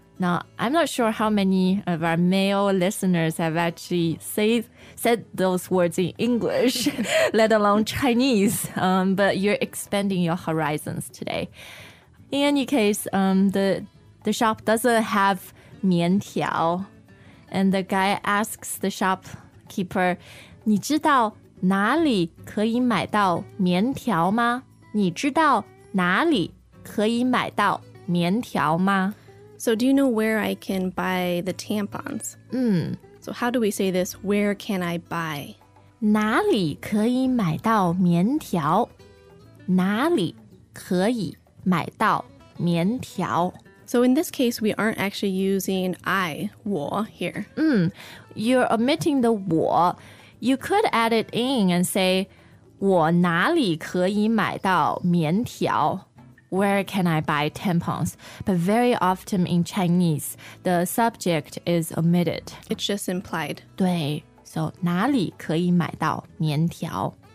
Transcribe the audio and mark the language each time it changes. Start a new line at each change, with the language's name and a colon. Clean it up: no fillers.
English: Now, I'm not sure how many of our male listeners have actually said those words in English, let alone Chinese, but you're expanding your horizons today. In any case, the shop doesn't have 棉条, and the guy asks the shopkeeper, 你知道?
Chinese: 哪里可以买到棉条吗? 你知道哪里可以买到棉条吗?
English: So do you know where I can buy the tampons? So how do we say this? Where can I buy?
Chinese: 哪里可以买到棉条?哪里可以买到棉条?
English: So in this case, we aren't actually using 我 here. You're omitting the 我.You could add it in and say, 我哪里可以买到棉条? Where can I buy tampons? But very often in Chinese, the subject is omitted. It's just implied.
Chinese: 对, so 哪里可以买到棉条?